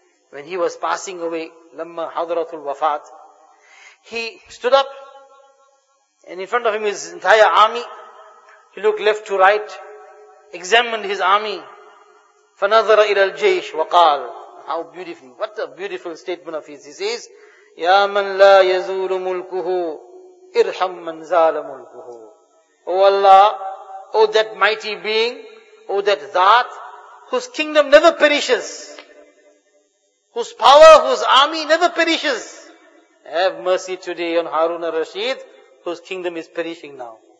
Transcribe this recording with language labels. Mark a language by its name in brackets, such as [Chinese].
[English] When he was passing away, [Arabic] lamma hadratul wafat, [English] he stood up and in front of him his entire army. He looked left to right, examined his army. [Arabic] فَنَظَرَ إِلَى الْجَيْشِ وَقَالَ. [English] How beautiful, what a beautiful statement of his. He says, [Arabic] يَا مَنْ لَا يَزُولُ مُلْكُهُ إِرْحَمْ مَنْ زَالَ مُلْكُهُ. [English] O Allah, O that mighty being, O that Zat, whose kingdom never perishes, whose power, whose army never perishes, have mercy today on Harun al-Rashid, whose kingdom is perishing now.